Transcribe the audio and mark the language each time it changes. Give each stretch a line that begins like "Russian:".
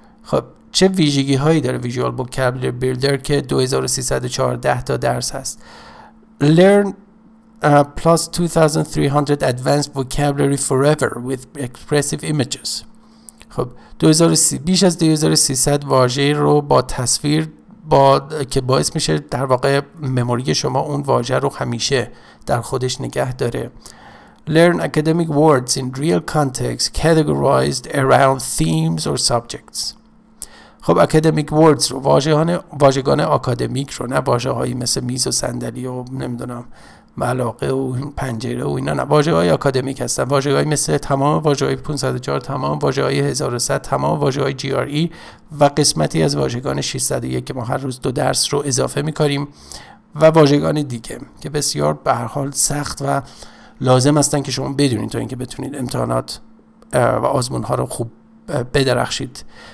Persian: خب چه ویژگی هایی داره ویژوال وکابولری بیلدر که 2314 تا درس هست؟ Learn plus 2300 advanced vocabulary forever with expressive images. خب بیش از 2300 واژه رو با تصویر با که باعث میشه در واقع مموری شما اون واژه رو همیشه در خودش نگه داره.
English: Learn academic words in real context categorized around themes or subjects.
Persian: خب academic words رو، واژگان آکادمیک رو، نه واژه هایی مثل میز و صندلی و نمیدونم ملاقه و پنجره و اینا، نه، واژه های آکادمیک هستن، واژه های مثل تمام واژه های 504، تمام واژه های 1100، تمام واژه های GRE و قسمتی از واژگان 601 که ما هر روز دو درس رو اضافه میکاریم و واژگان دیگه که بسیار به هر حال سخت و لازم هستن که شما بدونید تا اینکه بتونید امتحانات و آزمون ها رو خوب بدرخشید.